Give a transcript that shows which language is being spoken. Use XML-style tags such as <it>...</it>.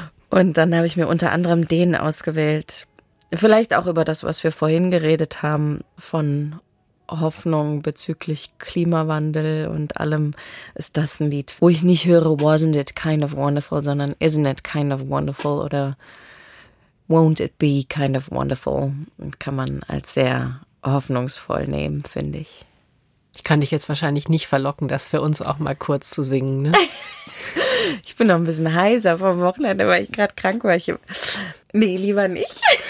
<de>Und dann habe ich mir unter anderem den ausgewählt. Vielleicht auch über das, was wir vorhin geredet haben, von Hoffnung bezüglich Klimawandel und allem, ist das ein Lied, wo ich nicht höre,</de> <en>wasn't it kind of wonderful,</en> <de>sondern</de> <en>isn't it kind of wonderful</en> <de>oder</de> <en>Won't it be kind of wonderful?</en> <de>Kann man als sehr hoffnungsvoll nehmen, finde ich. Ich kann dich jetzt wahrscheinlich nicht verlocken, das für uns auch mal kurz zu singen. Ne? Ich bin noch ein bisschen heiser vom Wochenende, weil ich gerade krank war. Nee, lieber nicht.</de>